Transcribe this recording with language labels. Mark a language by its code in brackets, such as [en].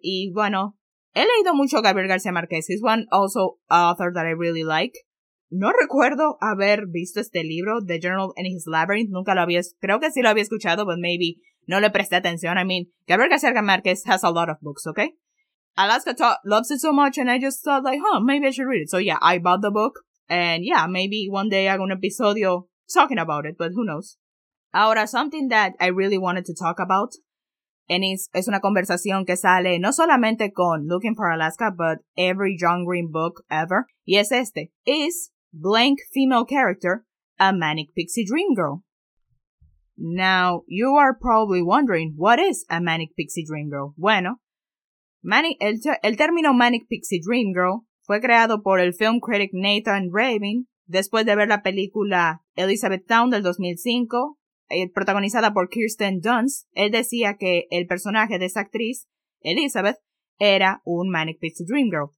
[es] Y bueno, he leído mucho Gabriel García Márquez. [en] He's one also author that I really like. [es] No recuerdo haber visto este libro, The General in His Labyrinth. Nunca lo había... Creo que sí lo había escuchado, [en] but maybe [es] no le presté atención. [en] I mean, Gabriel García Márquez has a lot of books, okay? Alaska loves it so much, and I just thought, like, huh, maybe I should read it. So yeah, I bought the book. And yeah, maybe one day I have an episodio talking about it, but who knows? [es] Ahora, [en] something that I really wanted to talk about, and [es] es una conversación que sale no solamente con [en] Looking for Alaska, but every John Green book ever, [es] y es este. [en] Is blank female character a manic pixie dream girl? Now, you are probably wondering, what is a manic pixie dream girl? [es] Bueno, el término manic pixie dream girl fue creado por el film critic Nathan Rabin después de ver la película Elizabeth Town del 2005. Protagonizada por Kirsten Dunst, él decía que el personaje de esa actriz, Elizabeth, era un Manic Pixie Dream Girl.